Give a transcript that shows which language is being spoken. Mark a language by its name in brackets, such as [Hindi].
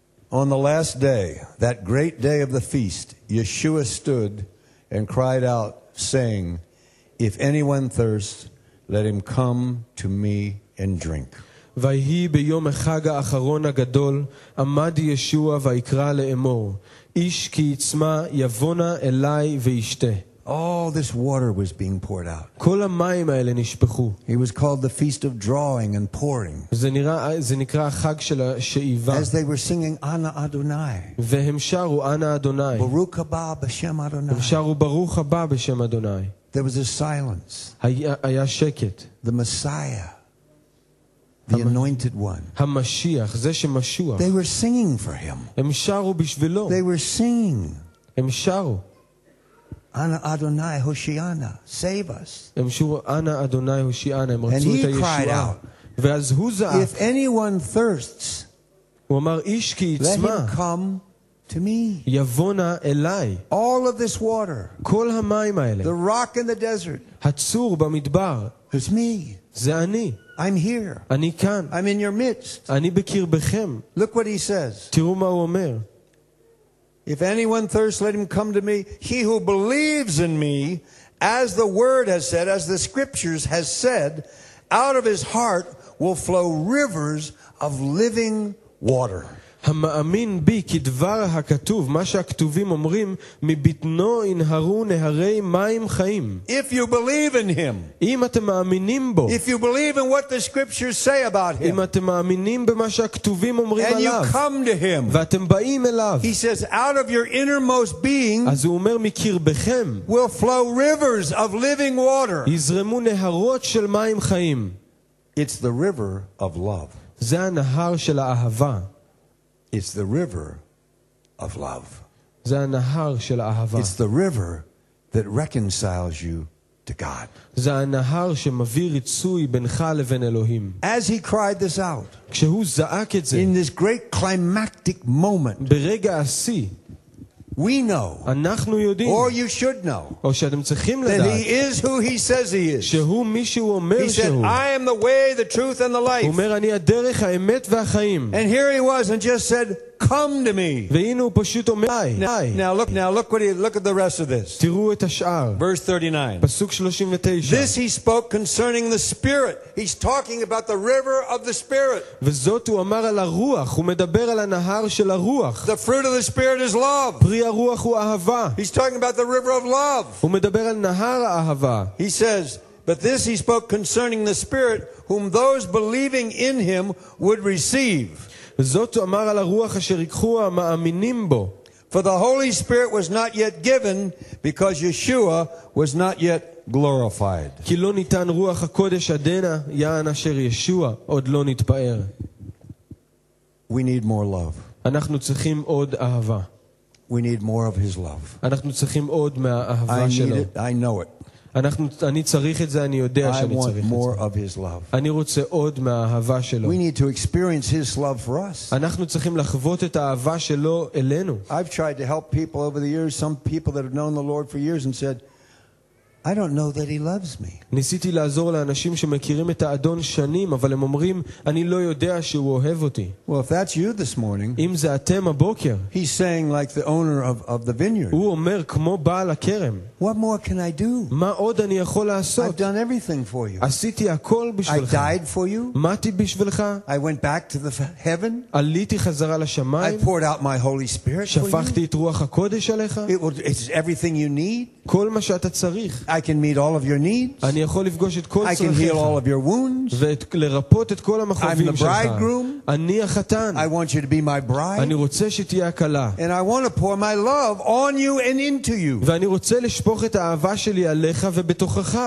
[English] On the last day, that great day of the feast, Yeshua stood and cried out, saying, "If anyone thirsts, let him come to me and drink." [Hebrew] ויהי ביום החג האחרון הגדול, עמד ישוע ויקרא לאמור, איש כי יצמא יבונה אליי וישתה. [English] All this water was being poured out. [Hebrew] כל המים האלה נשפכו. [English] It was called the feast of drawing and pouring. [Hebrew] זה נקרא החג של השאיבה. [English] As they were singing Ana Adonai. [Hebrew] והם שרו Ana Adonai. [English] Baruch haba b'shem Adonai. [Hebrew] הם שרו ברוך הבא בשם אדוני. [English] There was a silence. [Hebrew] היה שקט. [English] The Messiah. The anointed one. [Hebrew] המשיח, זה שמשוח. [English] They were singing for him. [Hebrew] הם שרו בשבילו. [English] They were singing. [Hebrew] הם שרו. Ana Adonai Hoshiana, [English] save us. [Hebrew] הם שרו Ana Adonai Hoshiana, הם רצו את [English] And he cried out. [Hebrew] ואז הוא זעק. [English] If anyone thirsts, [Hebrew] הוא אמר, איש כי יצמא. [English] Let him come to me. [Hebrew] יבונה אליי. [English] All of this water. [Hebrew] כל המים האלה. [English] The rock in the desert. [Hebrew] הצור במדבר. [English] It's me. [Hebrew] זה אני. [English] I'm here. [Hebrew] אני כאן. [English] I'm in your midst. [Hebrew] אני בקרבכם. [English] Look what he says. [Hebrew] תראו מה הוא אומר. [English] If anyone thirsts, let him come to me. He who believes in me, as the word has said, as the scriptures has said, out of his heart will flow rivers of living water. [Hebrew] המאמין בי כדבר הכתוב, מה שהכתובים אומרים, מביטנו ינהרו נהרי מים חיים. [English] If you believe in him. [Hebrew] אם אתם מאמינים בו. [English] If you believe in what the scriptures say about him. [Hebrew] אם אתם מאמינים במה שהכתובים אומרים [English] and [Hebrew] עליו. [English] And you come to him. [Hebrew] ואתם באים אליו. [English] He says, out of your innermost being. [Hebrew] אז הוא אומר מקרבכם. [English] Will flow rivers of living water. [Hebrew] יזרמו נהרות של מים חיים. [English] It's the river of love. [Hebrew] זה הנהר של האהבה. [English] It's the river of love. [Hebrew] זה הנהר של אהבה. [English] It's the river that reconciles you to God. [Hebrew] זה הנהר שמביא ריצוי בינך לבין אלוהים. [English] As he cried this out. [Hebrew] כשהוא זעק את זה. [English] In this great climactic moment. [Hebrew] ברגע השיא. [English] We know. [Hebrew] אנחנו יודעים. [English] Or you should know. [Hebrew] או שאתם צריכים לדעת. [English] That he is who he says he is. [Hebrew] שהוא מי שהוא אומר שהוא. [English] He said, "I am the way, the truth, and the life." [Hebrew] הוא אומר אני הדרך, האמת והחיים. [English] And here he was and just said, "Come to me." [Hebrew] והנה הוא פשוט אומר, "אי." [English] Now look at the rest of this. [Hebrew] תראו את השאר. [English] Verse 39. [Hebrew] פסוק 39. [English] This he spoke concerning the Spirit. He's talking about the river of the Spirit. [Hebrew] וזאת הוא אמר על הרוח, הוא מדבר על הנהר של הרוח. [English] The fruit of the Spirit is love. [Hebrew] פרי הרוח הוא אהבה. [English] He's talking about the river of love. [Hebrew] הוא מדבר על נהר האהבה. [English] He says, "But this he spoke concerning the Spirit whom those believing in him would receive." [Hebrew] זאת אמר על הרוח אשר יקחו המאמינים בו. [English] For the Holy Spirit was not yet given because Yeshua was not yet glorified. [Hebrew] כי לא ניתן רוח הקודש עדנה, יען אשר ישוע עוד לא נתפאר. [English] We need more love. [Hebrew] אנחנו צריכים עוד אהבה. [English] We need more of his love. [Hebrew] אנחנו צריכים עוד מהאהבה שלו. [English] I know it. [Hebrew] אני צריך את זה, אני יודע שאני צריך את זה. [English] I want more of his love. [Hebrew] אני רוצה עוד מהאהבה שלו. [English] We need to experience his love for us. [Hebrew] אנחנו צריכים לחוות את האהבה שלו אלינו. [English] I've tried to help people over the years, some people that have known the Lord for years and said, I don't know that he loves me. [Hebrew] ניסיתי לעזור לאנשים שמכירים את האדון שנים, אבל הם אומרים, אני לא יודע שהוא אוהב אותי. [English] Well, if that's you this morning, [Hebrew] אם זה אתם הבוקר, [English] he's saying like the owner of the vineyard. [Hebrew] הוא אומר כמו בעל הכרם. [English] What more can I do? [Hebrew] מה עוד אני יכול לעשות? [English] I've done everything for you. [Hebrew] עשיתי הכל בשבילך. [English] I died for you. [Hebrew] מתי בשבילך. [English] I went back to the heaven. [Hebrew] עליתי חזרה לשמיים. [English] I poured out my Holy Spirit for you. [Hebrew] שפכתי את רוח הקודש עליך. [English] It's everything you need. [Hebrew] כל מה שאתה צריך. [English] I can meet all of your needs. [Hebrew] אני יכול לפגוש את כל צרכיך. [English] I can heal all of your wounds. [Hebrew] ואת לרפות את כל המחויבים שלך. [English] I'm the bridegroom. [Hebrew] אני החתן. [English] I want you to be my bride. [Hebrew] אני רוצה שתהיה הכלה. [English] And I want to pour my love on you and into you. [Hebrew] ואני רוצה לשפוך את האהבה שלי עליך ובתוכך.